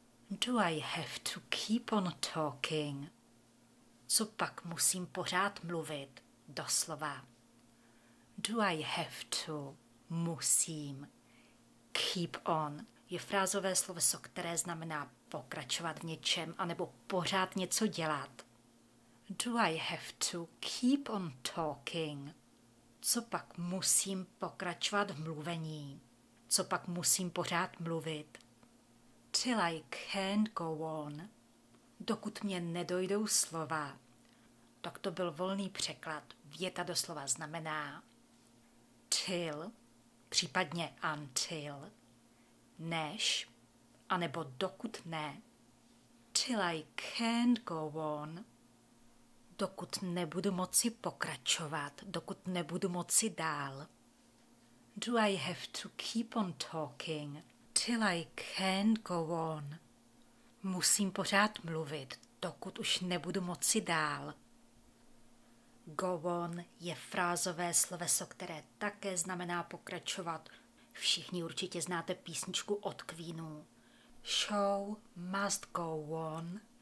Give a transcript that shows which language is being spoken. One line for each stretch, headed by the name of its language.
English: Do I have to keep on talking?
Czech: Co pak musím pořád mluvit, doslova.
English: Do I have to, musím, keep on.
Czech: Je frázové sloveso, které znamená pokračovat v něčem anebo pořád něco dělat.
English: Do I have to keep on talking?
Czech: Co pak musím pokračovat v mluvení? Co pak musím pořád mluvit?
English: Till I can't go on.
Czech: Dokud mě nedojdou slova. Tak to byl volný překlad. Věta doslova znamená till, případně until, než, anebo dokud ne.
English: Till I can't go on.
Czech: Dokud nebudu moci pokračovat, dokud nebudu moci dál.
English: Do I have to keep on talking till I can't go on.
Czech: Musím pořád mluvit, dokud už nebudu moci dál. Go on je frázové sloveso, které také znamená pokračovat. Všichni určitě znáte písničku od Queenu.
English: Show must go on.